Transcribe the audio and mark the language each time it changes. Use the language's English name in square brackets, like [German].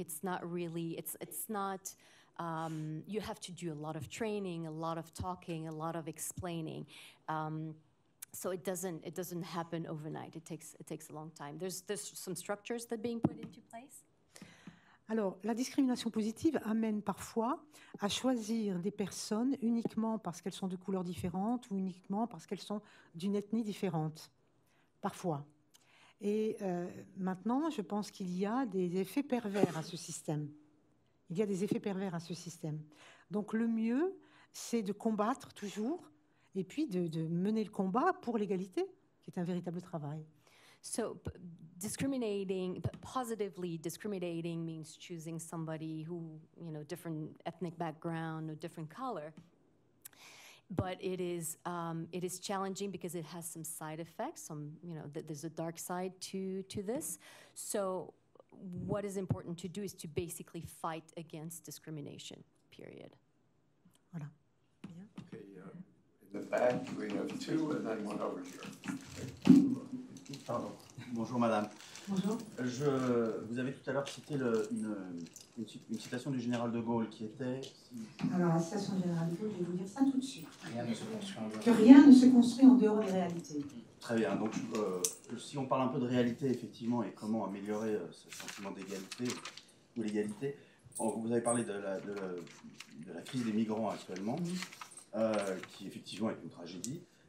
[English] It's not you have to do a lot of training, a lot of talking, a lot of explaining. So it doesn't happen overnight. It takes a long time. There's some structures that are being put into place. [French] Alors, la discrimination positive amène parfois à choisir des personnes uniquement parce qu'elles sont de couleur différente ou uniquement parce qu'elles sont d'une ethnie différente. parfois. Et maintenant, je pense qu'il y a des effets pervers à ce système. Il y a des effets pervers à ce système. Donc le mieux, c'est de combattre toujours et puis de mener le combat pour l'égalité, qui est un véritable travail. [English] So discriminating, positively discriminating means choosing somebody who, you know, different ethnic background or different color. But it is challenging because it has some side effects. Some, you know, there's a dark side to this. So what is important to do is to basically fight against discrimination, period. Voilà. Yeah. Okay, in the back, we have two and then one over here. [French] Pardon. Bonjour, madame. Bonjour. Vous avez tout à l'heure cité une citation du général de Gaulle qui était... Alors, la citation du général de Gaulle, je vais vous dire ça tout de suite. Rien ne se construit en dehors. Que rien ne se construit en dehors des réalités. Très bien. Donc, si on parle un peu de réalité, effectivement, et comment améliorer ce sentiment d'égalité ou l'égalité, vous avez parlé de la crise des migrants actuellement, qui, effectivement, est une tragédie.